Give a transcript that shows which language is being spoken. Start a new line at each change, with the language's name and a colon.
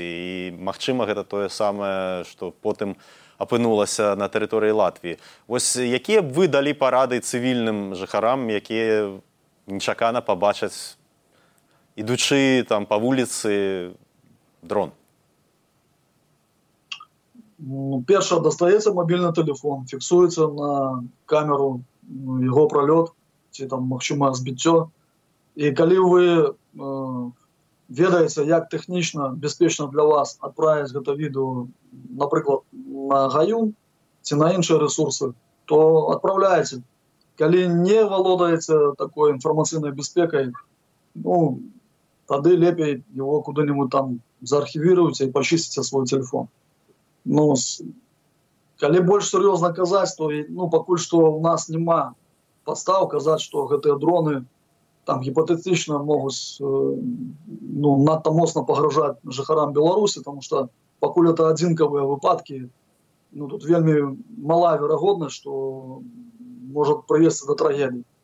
Belarusian: І магчыма, гэта тое самае, што потым апынулася на тэрыторыі Латвіі. Вось якія б вы далі парады цывільным жыхарам, якія нечакана пабачаць, ідучы там па вуліцы, дрон?
Russian: Першое, достается мобильный телефон, фиксируется на камеру его пролет, чи там максимальное сбитие. И когда вы ведаете, как технично, безопасно для вас отправить это видео, например, на Гаюн, чи на другие ресурсы, то отправляете. Когда не володаете такой информационной безопасной, ну, тогда лучше его куда-нибудь там заархивируете и почистите свой телефон.
Belarusian: Ну, калі больш сур'ёзна казаць, то, ну, пакуль што ў нас няма падстаў казаць, што гэтыя дроны там гіпатэтычна могуць, ну, надта моцна пагражаць жыхарам Беларусі, таму што пакуль гэта адзінкавыя выпадкі, ну, тут вельмі мала верагоднасць, што можа прывесці да трагедыі.